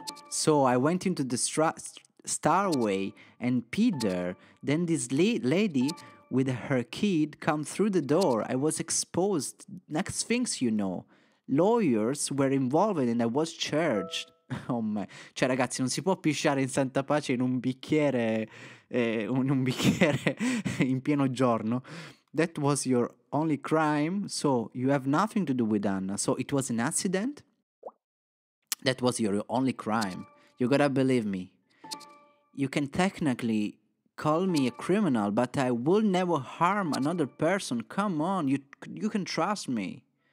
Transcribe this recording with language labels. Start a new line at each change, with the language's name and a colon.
English: So I went into the Starway and Peter, then this lady with her kid come through the door. I was exposed. Next things you know, lawyers were involved and I was charged. Oh my.
Italian: Cioè ragazzi, non si può pisciare in santa pace in un bicchiere in pieno giorno.
English: That was your only crime, so you have nothing to do with Anna. So it was an accident. That was your only crime. You gotta believe me. You can technically call me a criminal, but I will never harm another person. Come on, you can trust me.